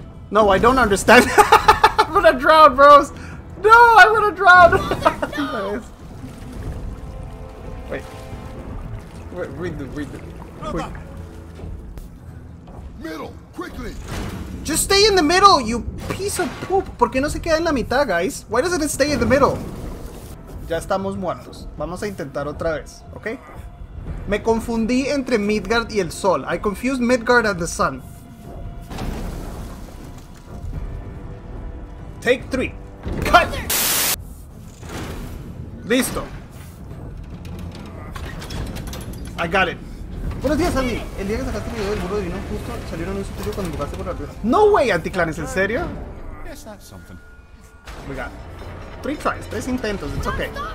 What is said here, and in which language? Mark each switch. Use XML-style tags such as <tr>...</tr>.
<en>No, I don't understand. I'm gonna drown, bros. No, I'm gonna drown. Nice. Wait. Read the. Quick. Middle, quickly. Just stay in the middle, you piece of poop.</en> <es>¿Por qué no se queda en la mitad, guys?</es> <en>Why doesn't it stay in the middle?</en> <es>Ya estamos muertos. Vamos a intentar otra vez, ¿ok? Me confundí entre Midgard y el sol.</es> <en>I confused Midgard and the sun. Take three. Cut. Listo. I got it.</en> <es>Buenos días,</es> <en>Andy.</en> <es>El día que sacaste el video del burro divino justo salió un anuncio tuyo cuando jugaste por la red.</es> <en>No way, Anticlanes,</en> <es>¿en serio?</es> <en>We got three tries,</en> <es>tres intentos,</es> <en>it's okay.</en>